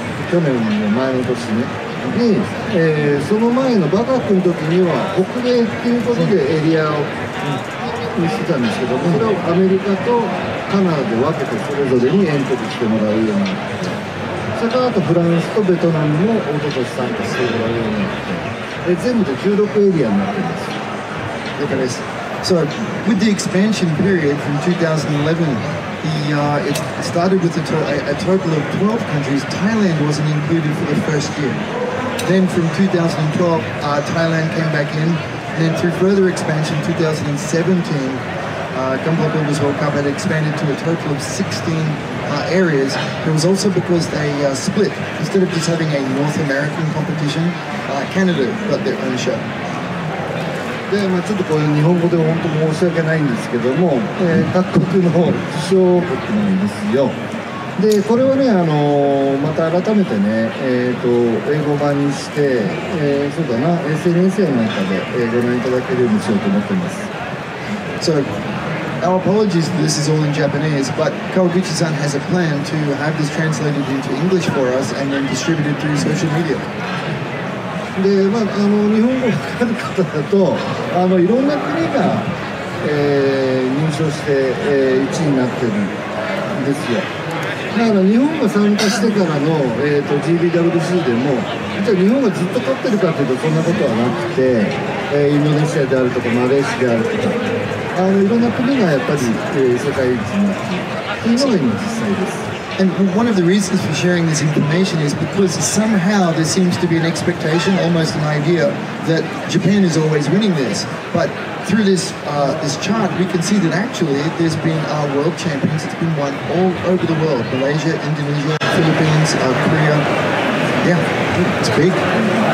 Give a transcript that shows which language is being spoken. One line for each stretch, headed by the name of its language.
Japanese: 去年の前の年ねに、その前のバカ君の時には北米っていうことでエリアを見せたんですけども、それをアメリカとカナダで分けてそれぞれにエントリーしてもらうような。それからあとフランスとベトナムも一昨年参加してもらうようになって、全部で16エリアになっています。だからです。
English: So with the expansion period from 2011,it started with a total of 12 countries. Thailand wasn't included for the first year. Then from 2012, Thailand came back in. Then through further expansion, 2017,Gunpla Builders World Cup had expanded to a total of 16areas. It was also because they split. Instead of just having a North American competition, Canada got their own show.
Japanese: で、まあ、ちょっとこれ日本語で本当申し訳ないんですけども、各国の受賞国なんですよ。で、これはね、また改めてね、英語版にして、そうだな、SNS なんかで、ご覧いただけるようにしようと思ってます。
English: So,our apologies that this is all in Japanese, but Kawaguchi-san has a plan to have this translated into English for us and then distributed through social media.
Japanese: で、まあ、日本語わかる方だと、いろんな国が、入賞して、1位になってるんですよ。だから日本が参加してからの、GBWC でも、じゃあ日本がずっと取ってるかというとそんなことはなくて、インドネシアであるとかマレーシアであるとか、いろんな国がやっぱり、世界一になっているのが今実際です。
English: And one of the reasons for sharing this information is because somehow there seems to be an expectation, almost an idea, that Japan is always winning this. But through this this chart, we can see that actually there's been our world champions. It's been won all over the world. Malaysia, Indonesia, Philippines, Korea. Yeah, it's big.